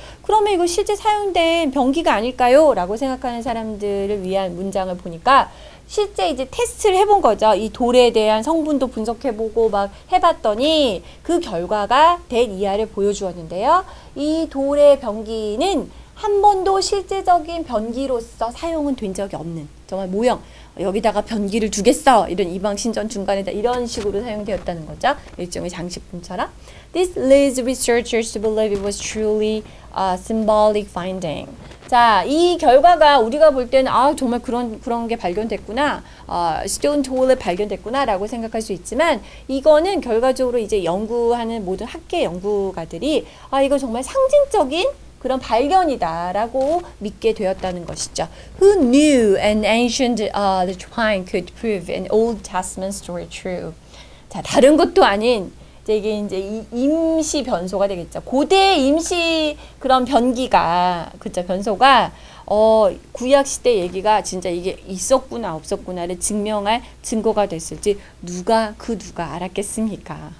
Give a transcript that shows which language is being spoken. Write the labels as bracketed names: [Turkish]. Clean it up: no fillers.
[Korean] 그러면 이거 실제 사용된 변기가 아닐까요? 라고 생각하는 사람들을 위한 문장을 보니까 실제 이제 테스트를 해본 거죠. 이 돌에 대한 성분도 분석해보고 막 해봤더니 그 결과가 된 이하를 보여주었는데요. 이 돌의 변기는 한 번도 실제적인 변기로서 사용은 된 적이 없는 정말 모형. 여기다가 변기를 두겠어. 이런 이방신전 중간에다 이런 식으로 사용되었다는 거죠. 일종의 장식품처럼. [English] This leads researchers to believe it was truly a symbolic finding. [Korean] 자, 이 결과가 우리가 볼 때는 아, 정말 그런 게 발견됐구나. 스톤 투올이 발견됐구나라고 생각할 수 있지만 이거는 결과적으로 이제 연구하는 모든 학계 연구가들이 아, 이거 정말 상징적인 그런 발견이다라고 믿게 되었다는 것이죠. [English] Who knew an ancient shrine could prove an old Testament story true? [Korean] 자, 다른 것도 아닌 이게 이제 임시 변소가 되겠죠. 고대 임시 그런 변기가 그죠? 변소가 구약 시대 얘기가 진짜 이게 있었구나 없었구나를 증명할 증거가 됐을지 누가 그 누가 알았겠습니까?